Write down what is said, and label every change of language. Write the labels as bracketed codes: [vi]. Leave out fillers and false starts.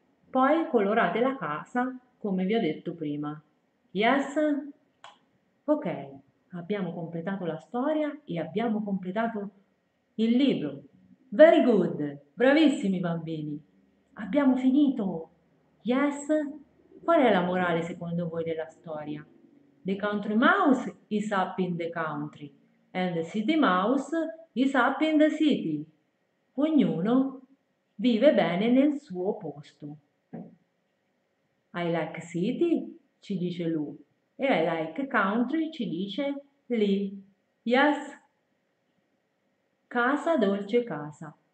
[it] Poi colorate la casa come vi ho detto prima. Yes? Ok, abbiamo completato la storia e abbiamo completato il libro. [en] Very good! [it] Bravissimi bambini! Abbiamo finito! Yes? Qual è la morale secondo voi della storia? [en] The country mouse is up in the country and the city mouse is up in the city. [it] Ognuno vive bene nel suo posto. [en] I like city, [it] ci dice lui. E [en] I like country, [it] ci dice lì. Yes? Casa, dolce casa.